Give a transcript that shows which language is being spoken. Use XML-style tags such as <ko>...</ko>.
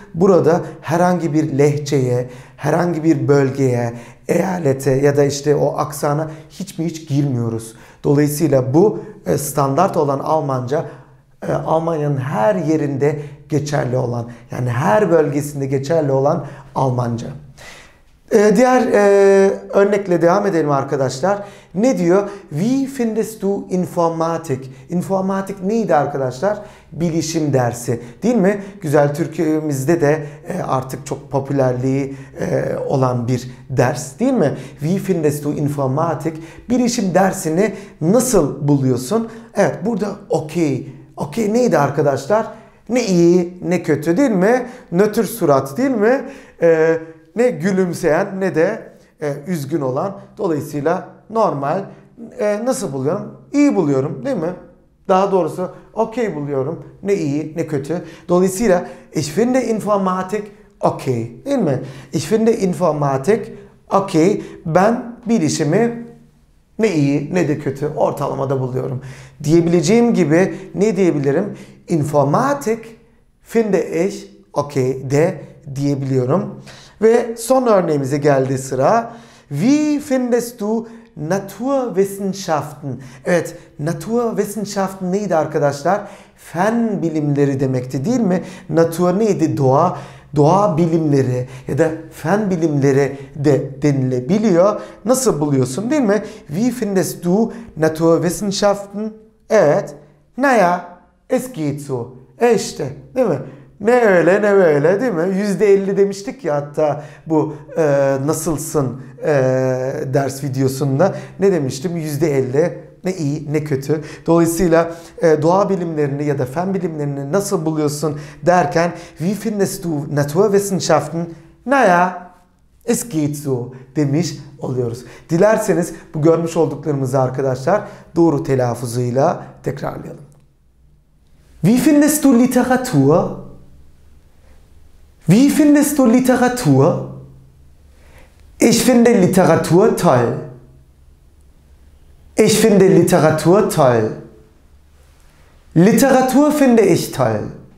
<tr>Burada herhangi bir lehçeye, herhangi bir bölgeye, eyalete ya da işte o aksana hiç mi hiç girmiyoruz. Dolayısıyla bu standart olan Almanca Almanya'nın her yerinde geçerli olan, yani her bölgesinde geçerli olan Almanca. Diğer örnekle devam edelim arkadaşlar. Ne diyor?</tr> <de>Wie findest du Informatik?</de> <tr>Informatik neydi arkadaşlar? Bilişim dersi. Değil mi? Güzel, Türkiye'mizde de artık çok popülerliği olan bir ders. Değil mi?</tr> <de>Wie findest du Informatik?</de> <tr>Bilişim dersini nasıl buluyorsun? Evet, burada okey. Okey neydi arkadaşlar? Ne iyi ne kötü değil mi? Nötr surat değil mi? Ne gülümseyen ne de üzgün olan. Dolayısıyla normal. Nasıl buluyorum? İyi buluyorum değil mi? Daha doğrusu okey buluyorum. Ne iyi ne kötü. Dolayısıyla</tr> <de>ich finde Informatik okey</de> <tr>değil mi?</tr> <de>Ich finde Informatik okey.</de> <tr>Ben bilişimi ne iyi ne de kötü ortalamada buluyorum. Diyebileceğim gibi ne diyebilirim?</tr> <de>Informatik finde ich okey</de> <tr>de diyebiliyorum. Ve son örneğimize geldi sıra.</tr> <de>Wie findest du Naturwissenschaften?</de> <tr>Evet, Naturwissenschaften neydi arkadaşlar? Fen bilimleri demekti değil mi? Natur neydi? Doğa. Doğa bilimleri ya da fen bilimleri de denilebiliyor. Nasıl buluyorsun değil mi?</tr> <de>Wie findest du Naturwissenschaften?</de> <tr>Evet.</tr> <de>Naja, es geht so.</de> <tr>E işte, değil mi? Ne öyle ne böyle değil mi? %50 demiştik ya hatta bu nasılsın ders videosunda. Ne demiştim? %50 ne iyi ne kötü. Dolayısıyla doğa bilimlerini ya da fen bilimlerini nasıl buluyorsun derken</tr> <de>Wie findest du Naturwissenschaften? Naja, es geht so</de> <tr>demiş oluyoruz. Dilerseniz bu görmüş olduklarımızı arkadaşlar doğru telaffuzuyla tekrarlayalım.</tr> <de>Wie findest du Literatur? Wie findest du Literatur? Ich finde Literatur toll. Ich finde Literatur toll. Literatur finde ich toll.</de>